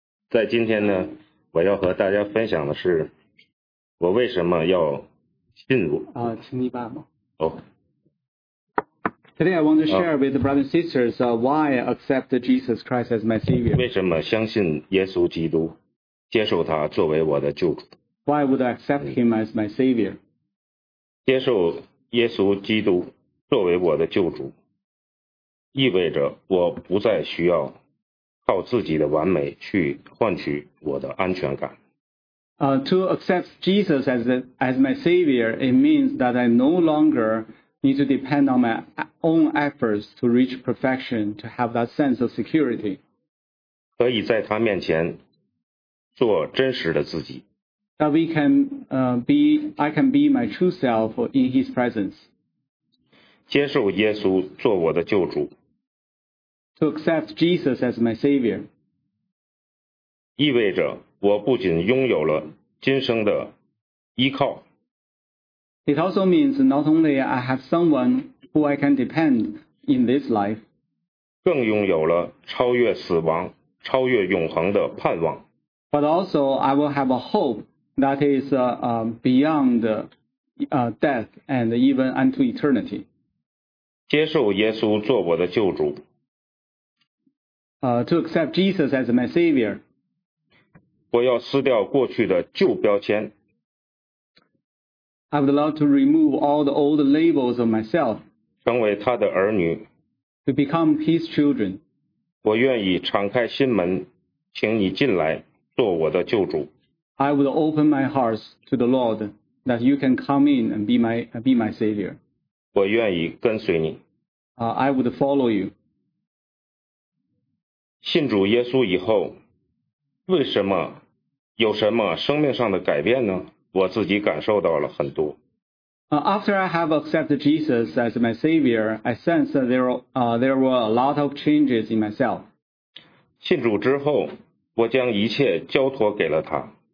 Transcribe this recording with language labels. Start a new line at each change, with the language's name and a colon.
Chinese: 在今天呢，我要和大家分享的是我为什么要信主。啊，请你爸爸。哦。
English: Today I want to share with the brothers and sisters why I accept Jesus Christ as my Savior.
Chinese: 为什么相信耶稣基督，接受他作为我的救主？
English: Why would I accept him as my Savior?
Chinese: 接受耶稣基督作为我的救主，意味着我不再需要靠自己的完美去换取我的安全感。
English: To accept Jesus as my Savior, it means that I no longer need to depend on my own efforts to reach perfection, to have that sense of security.
Chinese: 可以在他面前做真实的自己。
English: That we can, I can be my true self in his presence.
Chinese: 接受耶稣做我的救主。
English: To accept Jesus as my Savior.
Chinese: 意味着我不仅拥有了今生的依靠。
English: It also means not only I have someone who I can depend in this life.
Chinese: 更拥有了超越死亡、超越永恒的盼望。
English: But also I will have a hope that is beyond death and even unto eternity.
Chinese: 接受耶稣做我的救主。
English: To accept Jesus as my Savior.
Chinese: 我要撕掉过去的旧标签。
English: I would love to remove all the old labels of myself.
Chinese: 成为他的儿女。
English: To become his children.
Chinese: 我愿意敞开心门，请你进来做我的救主。
English: I would open my heart to the Lord that you can come in and be my Savior.
Chinese: 我愿意跟随你。
English: I would follow you.
Chinese: 信主耶稣以后，为什么有什么生命上的改变呢？我自己感受到了很多。
English: After I have accepted Jesus as my Savior, I sense that there were a lot of changes in myself.
Chinese: 信主之后，我将一切交托给了他。